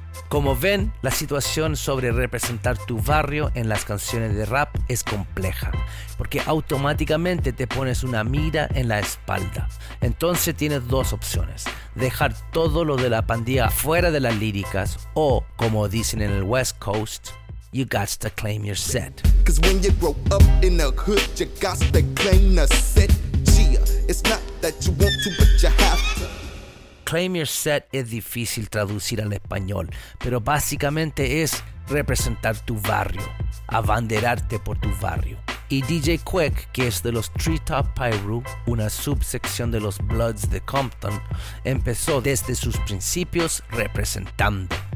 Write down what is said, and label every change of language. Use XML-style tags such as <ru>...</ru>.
<es>Como ven, la situación sobre representar tu barrio en las canciones de rap es compleja, porque automáticamente te pones una mira en la espalda. Entonces tienes dos opciones, dejar todo lo de la pandilla fuera de las líricas o, como dicen en el West Coast,</es> <en>you got to claim your set. Cause when you grow up in the hood, you got to claim the set. Gia, it's not that you want to, but you have to.</en> <es>Claim your set es difícil traducir al español, pero básicamente es representar tu barrio, abanderarte por tu barrio. Y DJ Quick, que es de los Treetop Piru, una subsección de los Bloods de Compton, empezó desde sus principios representando.</es>